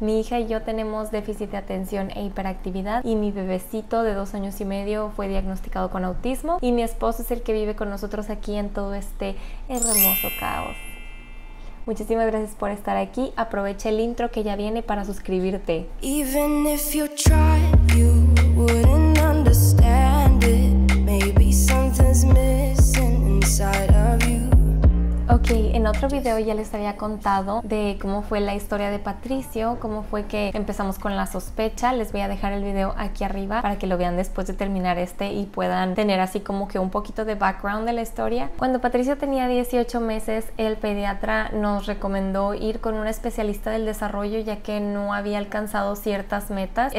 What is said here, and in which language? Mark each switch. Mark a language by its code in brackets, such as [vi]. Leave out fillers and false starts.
[es] Mi hija y yo tenemos déficit de atención e hiperactividad y mi bebecito de 2 años y medio fue diagnosticado con autismo y mi esposo es el que vive con nosotros aquí en todo este hermoso caos. Muchísimas gracias por estar aquí. Aprovecha el intro que ya viene para suscribirte. [en] Even if you try, you wouldn't understand it. Maybe something's missing inside of you. [es] Ok, en otro video ya les había contado de cómo fue la historia de Patricio, cómo fue que empezamos con la sospecha. Les voy a dejar el video aquí arriba para que lo vean después de terminar este y puedan tener así como que un poquito de background de la historia. Cuando Patricio tenía 18 meses, el pediatra nos recomendó ir con un especialista del desarrollo ya que no había alcanzado ciertas metas.